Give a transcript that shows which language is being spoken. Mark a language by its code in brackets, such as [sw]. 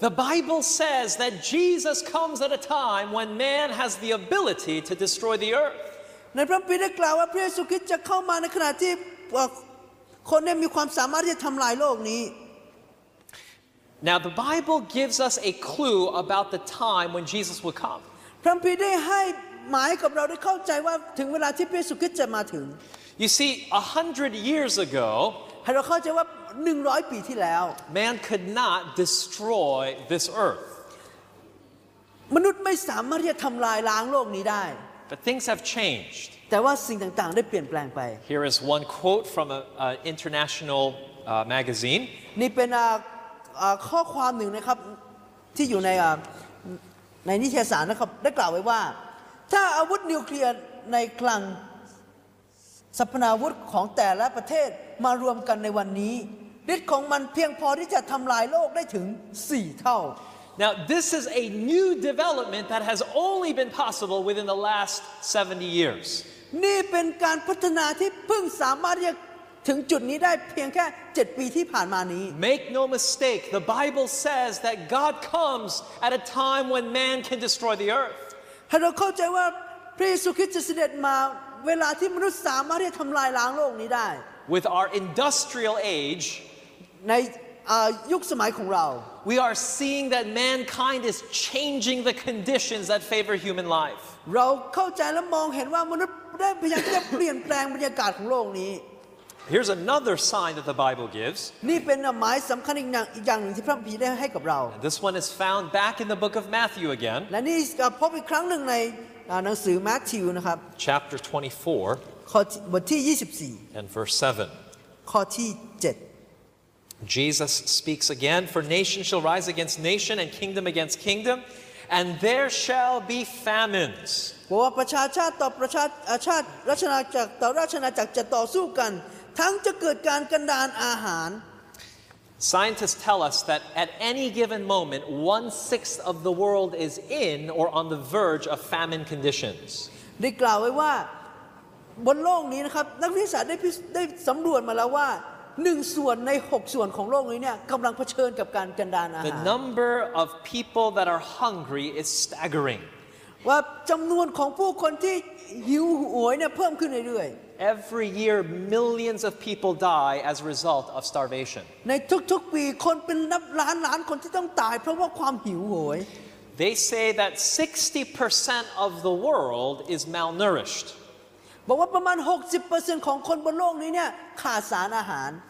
[en] The Bible says that Jesus comes at a time when man has the ability to destroy the earth [th] ในพระคัมภีร์ได้กล่าวว่าพระเยซูคริสต์จะเข้ามาในขณะที่คนได้มีความสามารถที่จะทำลายโลกนี้ [en] Now the Bible gives us a clue about the time when Jesus will come [th] พระคัมภีร์ได้ให้หมายกับเราได้เข้าใจว่าถึงเวลาที่พระเยซูคริสต์จะมาถึง [en] You see 100 years ago [th] ให้เราเข้าใจว่า100ปีที่แล้ว [en] Man could not destroy this earth [th] มนุษย์ไม่สามารถที่จะทำลายล้างโลกนี้ได้ [en] But things have changed. [th] แต่ว่าสิ่งต่างๆได้เปลี่ยนแปลงไป [en] Here is one quote from an international magazine. [th] นี่เป็นข้อความหนึ่งนะครับที่อยู่ในนิตยสารนะครับได้กล่าวไว้ว่าถ้าอาวุธนิวเคลียร์ในคลังสรรพอาวุธของแต่ละประเทศมารวมกันในวันนี้ฤทธิ์ของมันเพียงพอที่จะทำลายโลกได้ถึง4เท่า [en] Now this is a new development that has only been possible within the last 70 years. [th] นี่เป็นการพัฒนาที่เพิ่งสามารถจะถึงจุดนี้ได้เพียงแค่7ปีที่ผ่านมานี้ [en] Make no mistake, the Bible says that God comes at a time when man can destroy the earth. [th] ให้เราเข้าใจว่าพระเยซูคริสต์เสด็จมาเวลาที่มนุษย์สามารถจะทําลายล้างโลกนี้ได้ [en] With our industrial age [th] ในยุคสมัยของเรา [en] We are seeing that mankind is changing the conditions that favor human life. [th] เราเข้าใจและมองเห็นว่ามนุษย์ได้พยายามที่จะเปลี่ยนแปลงบรรยากาศของโลกนี้ [en] Here's another sign that the Bible gives. [th] นี่เป็นหมายสำคัญอีกอย่างที่พระคัมภีร์ได้ให้กับเรา [en] This one is found back in the book of Matthew again. [th] และนี่พบอีกครั้งหนึ่งในหนังสือมัทธิวนะครับ [en] Chapter [th] 24. บทที่24. [en] And verse 7. [th] ข้อที่7 [en] Jesus speaks again, for nation shall rise against nation and kingdom against kingdom, and there shall be famines. [th] บอกว่าประชาชาติต่อประชาชาติราชนาจักรต่อราชนาจักรจะต่อสู้กันทั้งจะเกิดการกันดารอาหาร [en] Scientists tell us that at any given moment, 1/6 of the world is in or on the verge of famine conditions. [th] ได้กล่าวไว้ว่าบนโลกนี้นะครับนักวิทยาศาสตร์ได้สำรวจมาแล้วว่าหนึ่งส่วนในหกส่วนของโลกนี้เนี่ยกำลังเผชิญกับการกันดารอาหาร [en] The number of people that are hungry is staggering [th] ว่าจำนวนของผู้คนที่หิวโหยเนี่ยเพิ่มขึ้นเรื่อย [en] ๆ Every year millions of people die as a result of starvation [th] ในทุกๆปีคนเป็นนับล้านล้านคนที่ต้องตายเพราะว่าความหิวโหย [en] They say that 60% of the world is malnourished [th] บอกว่าประมาณ 60% ของคนบนโลกนี้เนี่ยขาดสารอาหาร